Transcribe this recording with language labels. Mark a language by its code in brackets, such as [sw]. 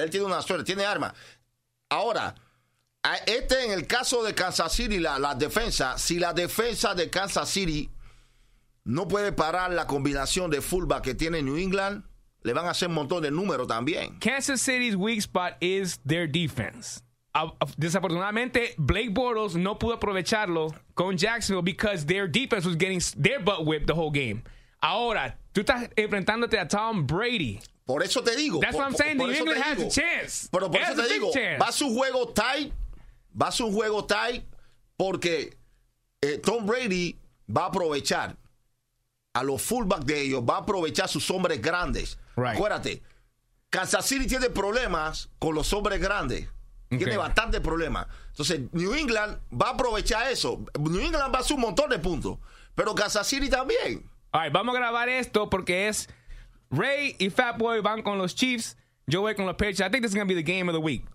[es] Él tiene una suerte, tiene armas. Ahora, en el caso de Kansas City, la defensa, si la defensa de Kansas City no puede parar la combinación de fullback que tiene New England, le van a hacer un montón de números también. [en] Kansas City's weak spot is their defense. [es] Desafortunadamente, Blake Bortles no pudo aprovecharlo con Jacksonville [en] because their defense was getting their butt whipped the whole game. [es] Ahora, tú estás enfrentándote a Tom Brady. Por eso te digo. [en] That's what I'm saying. New England has a chance. [es] Pero por eso te digo, va a su juego tight porque Tom Brady va a aprovechar a los fullbacks de ellos, va a aprovechar sus hombres grandes. Right. Acuérdate, Kansas City tiene problemas con los hombres grandes. Okay. Tiene bastante problemas. Entonces, New England va a aprovechar eso. New England va a hacer un montón de puntos. Pero Kansas City también. [en] All right, [es] vamos a grabar esto porque es Ray y Fatboy van con los Chiefs. Yo voy con los Patriots. [en] I think this is going to be the game of the week.